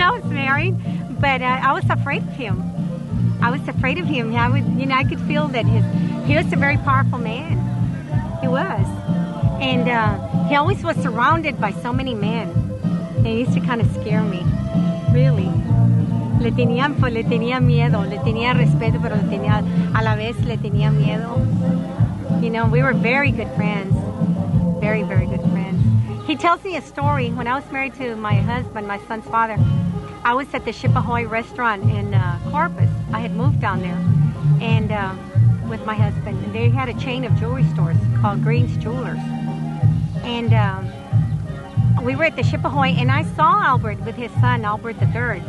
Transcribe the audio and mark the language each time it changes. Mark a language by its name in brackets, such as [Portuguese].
[English] I was married, but I was afraid of him. I was afraid of him. I was, you know, I could feel that he was a very powerful man. He he was. And he always was surrounded by so many men. They used to kind of scare me, really. [Spanish] Le tenía miedo, le tenía respeto, pero a la vez le tenía miedo. [English] You know, we were very good friends, very, very good friends. He tells me a story. When I was married to my husband, my son's father, I was at the Ship Ahoy restaurant in Corpus. I had moved down there and with my husband. And they had a chain of jewelry stores called Green's Jewelers. And we were at the Ship Ahoy, and I saw Albert with his son, Albert III.